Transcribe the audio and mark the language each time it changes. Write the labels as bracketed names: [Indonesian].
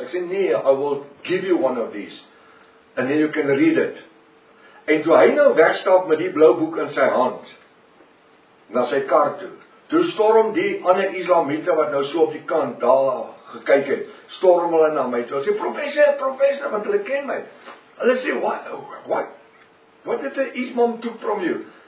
[Afrikaans] Ek sê, nee, [English] I will give you one of these, and then you can read it. [Afrikaans] En toe hy nou wegstap met die blou boek in sy hand, na sy kar toe, toe storm die ander islamiete wat nou so op die kant daar gekyk het, storm hulle na my, toe sê, professor, want hulle ken my. Hulle sê, [English] what did the Islam took from you?